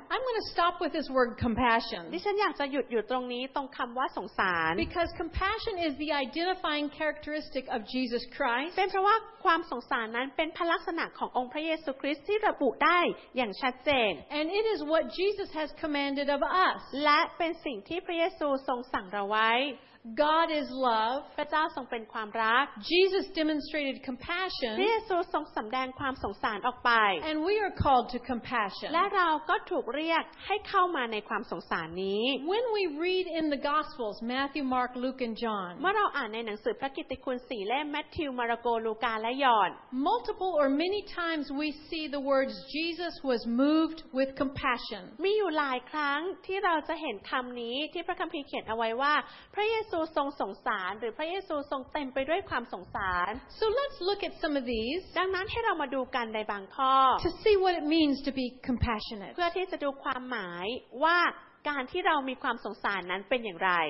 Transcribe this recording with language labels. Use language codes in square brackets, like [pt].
[en] I'm going to stop with this word compassion [th] ดิฉันอยากจะหยุดอยู่ตรงนี้ตรงคำว่าสงสาร [en] because compassion is the identifying characteristic of Jesus Christ [th] เป็นเพราะว่าความสงสารนั้นเป็นพระลักษณะขององค์พระเยซูคริสต์ที่ระบุได้อย่างชัดเจน [en] and it is what Jesus has commanded of us [th] และเป็นสิ่งที่พระเยซูทรงสั่งเราไว้ [en] God is love. [th] พระเจ้าทรงเป็นความรัก [en] Jesus demonstrated compassion. [th] พระเยซูทรงสำแดงความสงสารออกไป [en] And we are called to compassion. [th] และเราก็ถูกเรียกให้เข้ามาในความสงสารนี้ [en] When we read in the Gospels, Matthew, Mark, Luke, and John. [th] เมื่อเราอ่านในหนังสือพระกิตติคุณ4เล่ม Matthew, Mark, Luke, and John. [en] Multiple or many times we see the words Jesus was moved with compassion. [th] มีอยู่หลายครั้งที่เราจะเห็นคำนี้ที่พระคัมภีร์เขียนเอาไว้ว่าพระเยซูทรงสงสารหรือพระเยซูทรงเต็มไปด้วยความสงสาร [en] So let's look at some of these [th] ดังนั้นให้เรามาดูกันในบางข้อ [en] To see what it means to be compassionate [th] เพื่อที่จะดูความหมายว่าการที่เรามีความสงสารนั้นเป็นอย่างไร